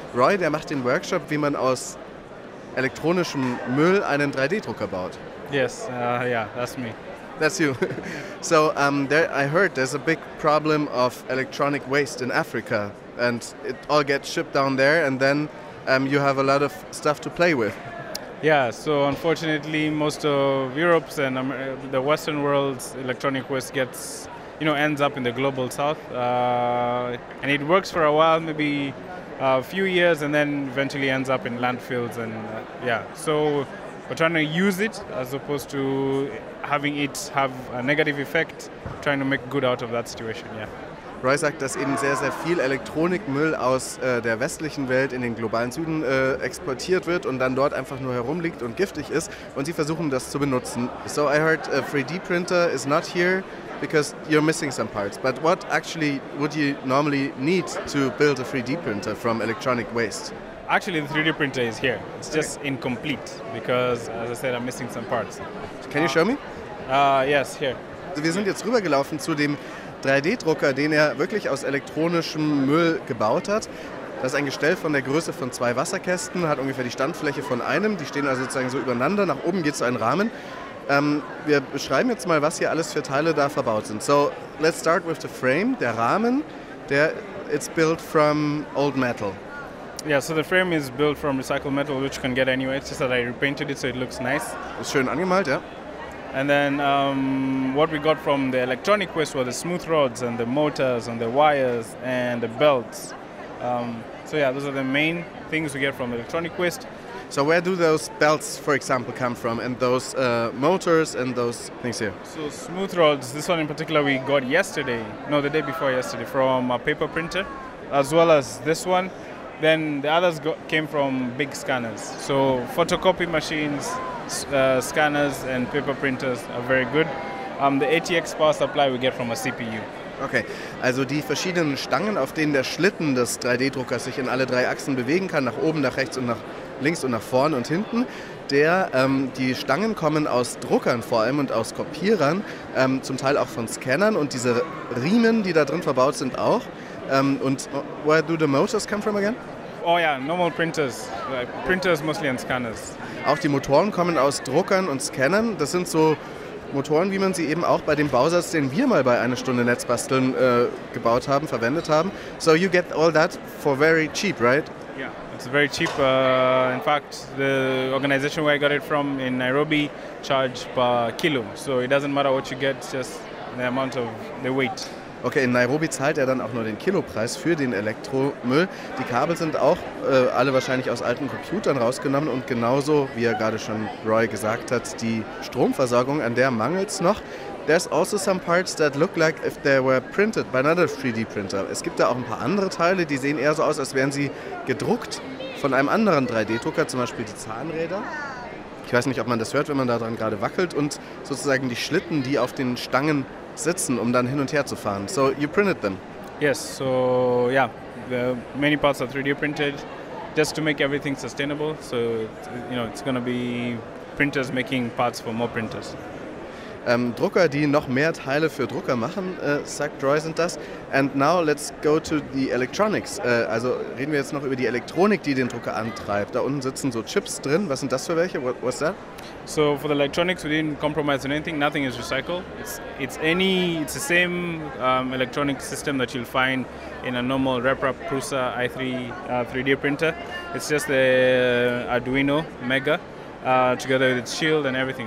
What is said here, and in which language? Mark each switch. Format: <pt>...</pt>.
<de>Roy, der macht den Workshop, wie man aus elektronischem Müll einen 3D-Drucker baut.</de> <en>Yes, that's me. That's you. So I heard there's a big problem of electronic waste in Africa, and it all gets shipped down there, and then you have a lot of stuff to play with. Yeah, so unfortunately, most of Europe's and the Western world's electronic waste ends up in the global south. And it works for a while, maybe a few years, and then eventually ends up in landfills. So we're trying to use it as opposed to having it have a negative effect, trying to make good out of that situation, yeah.</en> <de>Roy sagt, dass eben sehr, sehr viel Elektronikmüll aus der westlichen Welt in den globalen Süden exportiert wird und dann dort einfach nur herumliegt und giftig ist, und sie versuchen das zu benutzen.</de> <en>So I heard a 3D printer is not here because you're missing some parts, but what actually would you normally need to build a 3D printer from electronic waste? Actually, the 3D printer is here. It's just incomplete because, as I said, I'm missing some parts. Can you show me? Yes, here.</en> <de>Wir sind jetzt rübergelaufen zu dem 3D-Drucker, den er wirklich aus elektronischem Müll gebaut hat. Das ist ein Gestell von der Größe von 2 Wasserkästen, hat ungefähr die Standfläche von einem. Die stehen also sozusagen so übereinander. Nach oben geht so ein Rahmen. Wir beschreiben jetzt mal, was hier alles für Teile da verbaut sind.</de> <en>So, let's start with the frame. Der Rahmen, der it's built from old metal. Yeah, so the frame is built from recycled metal, which you can get anyway. It's just that I repainted it, so it looks nice.</en> <de>Ist schön angemalt, ja.</de> <en>And then what we got from the electronic waste were the smooth rods and the motors and the wires and the belts. So yeah, those are the main things we get from the electronic waste. So where do those belts, for example, come from and those motors and those things here? So smooth rods, this one in particular we got yesterday, no, the day before yesterday, from a paper printer, as well as this one. Then the others came from big scanners. So photocopy machines, scanners and paper printers are very good. The ATX power supply we get from a CPU.</en> <de>Okay, also die verschiedenen Stangen, auf denen der Schlitten des 3D-Druckers sich in alle drei Achsen bewegen kann, nach oben, nach rechts und nach links und nach vorne und hinten, die Stangen kommen aus Druckern vor allem und aus Kopierern, zum Teil auch von Scannern und diese Riemen, die da drin verbaut sind, auch.</de> <en>Und where do the motors come from again? Oh yeah, normal printers. Like printers mostly and scanners.</en> <de>Auch die Motoren kommen aus Druckern und Scannern. Das sind so Motoren, wie man sie eben auch bei dem Bausatz, den wir mal bei einer Stunde Netzbasteln gebaut haben, verwendet haben.</de> <en>So you get all that for very cheap, right? Yeah, it's very cheap. In fact, the organization where I got it from in Nairobi charge per kilo. So it doesn't matter what you get, just the amount of the weight.</en> <de>Okay, in Nairobi zahlt er dann auch nur den Kilopreis für den Elektromüll. Die Kabel sind auch alle wahrscheinlich aus alten Computern rausgenommen und genauso, wie er gerade schon Roy gesagt hat, die Stromversorgung, an der mangelt es noch.</de> <en>There's also some parts that look like if they were printed by another 3D printer.</en> <de>Es gibt da auch ein paar andere Teile, die sehen eher so aus, als wären sie gedruckt von einem anderen 3D-Drucker, zum Beispiel die Zahnräder. Ich weiß nicht, ob man das hört, wenn man da dran gerade wackelt und sozusagen die Schlitten, die auf den Stangen sitzen, um dann hin und her zu fahren.</de> <en>So, you printed them? Yes, so, yeah, the many parts are 3D printed, just to make everything sustainable. So, you know, it's gonna be printers making parts for more printers.</en> <de>Drucker, die noch mehr Teile für Drucker machen, sagt Roy, sind das.</de> <en>And now let's go to the electronics.</en> <de>Also reden wir jetzt noch über die Elektronik, die den Drucker antreibt. Da unten sitzen so Chips drin. Was sind das für welche? What's that?</de> <en>So for the electronics, we didn't compromise on anything. Nothing is recycled. It's the same electronic system that you'll find in a normal RepRap Prusa i3 3D printer. It's just the Arduino Mega. Together with its shield and everything.</en>